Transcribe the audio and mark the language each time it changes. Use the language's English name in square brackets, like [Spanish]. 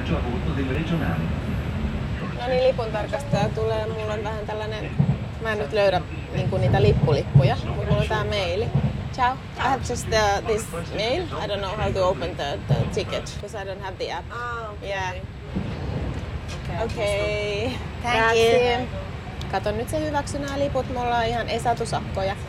[Finnish] No niin, lipun tarkastaja tulee. Mulla on vähän tällainen, mä en nyt löydä niin kuin niitä lippulippuja, mutta mulla on tää maili. [Italian] Ciao. [English] I have just this mail. I don't know how to open the ticket, because I don't have the app. Oh, okay. Yeah. Okay. Thank you. [Finnish] Kato nyt se hyväksy nää liput, me ollaan ihan esatusakkoja.